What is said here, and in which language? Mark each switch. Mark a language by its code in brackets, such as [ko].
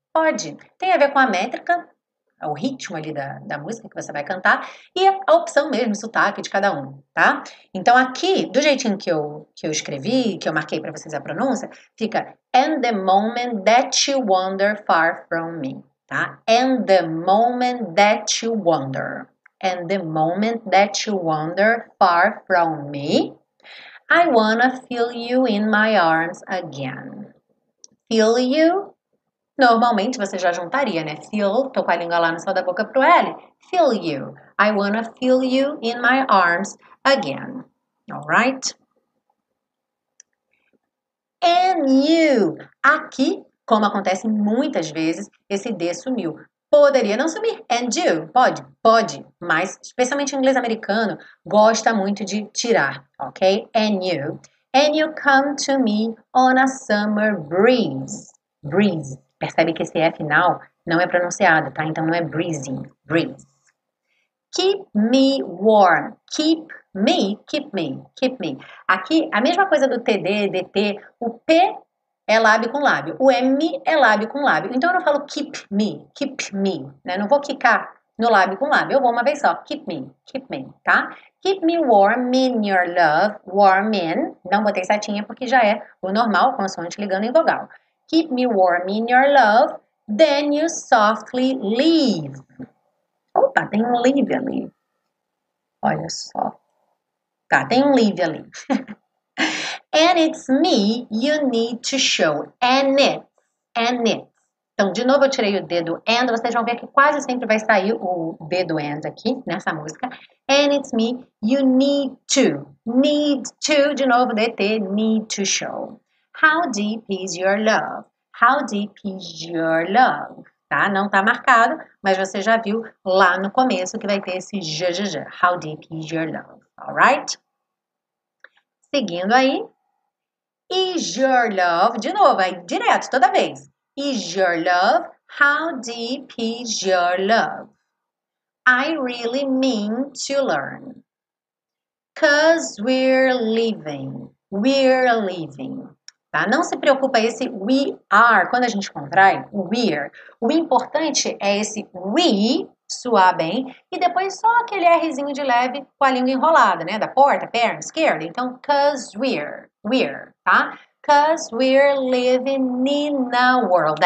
[pt] Pode, tem a ver com a métrica, o ritmo ali da música que você vai cantar, e a opção mesmo, o sotaque de cada um, tá? Então, aqui, do jeitinho que eu escrevi, que eu marquei pra vocês a pronúncia, fica, [en] and the moment that you wander far from me, [pt] tá? [en] And the moment that you wander, and the moment that you wander far from me, I wanna feel you in my arms again. Feel you? [pt] Normalmente você já juntaria, né? Feel, tô com a língua lá no céu da boca pro L. [en] Feel you. I wanna feel you in my arms again. Alright? And you. [pt] Aqui, como acontece muitas vezes, esse D sumiu. Poderia não sumir. [en] And you. [pt] Pode? Pode. Mas, especialmente o inglês americano, gosta muito de tirar. [en] Ok? And you. And you come to me on a summer breeze. Breeze. [pt] Percebe que esse E final não é pronunciado, tá? Então, não é breezy. Breeze. [en] Keep me warm. Keep me. Keep me. Keep me. [pt] Aqui, a mesma coisa do TD, DT. O P é lábio com lábio. O M é lábio com lábio. Então, eu não falo keep me. Keep me. Né? Não vou quicar no lábio com lábio. Eu vou uma vez só. [en] Keep me. Keep me. Tá? Keep me warm in your love. Warm in. [pt] Não botei setinha porque já é o normal, consoante ligando em vogal. [en] Keep me warm in your love, then you softly leave. [pt] Opa, tem um leave ali. Olha só. Tá, tem um leave ali. [en] And it's me you need to show. And it. And it. [pt] Então, de novo, eu tirei o D do and. Vocês vão ver que quase sempre vai sair o D do and aqui nessa música. [en] And it's me you need to. Need to. [pt] De novo, DT. [en] Need to show. How deep is your love? How deep is your love? Tá? [pt] Não tá marcado, mas você já viu lá no começo que vai ter esse jjj. [en] How deep is your love? Alright? [pt] Seguindo aí. [en] Is your love? [pt] De novo, aí direto, toda vez. [en] Is your love? How deep is your love? I really mean to learn. Cause we're leaving. We're leaving. Tá? [pt] Não se preocupa esse we are, quando a gente contrai, we're. O importante é esse we, suar bem, e depois só aquele Rzinho de leve com a língua enrolada, né? Da porta, parent, scared. Então, cause we're, tá? [en] Cause we're living in a world.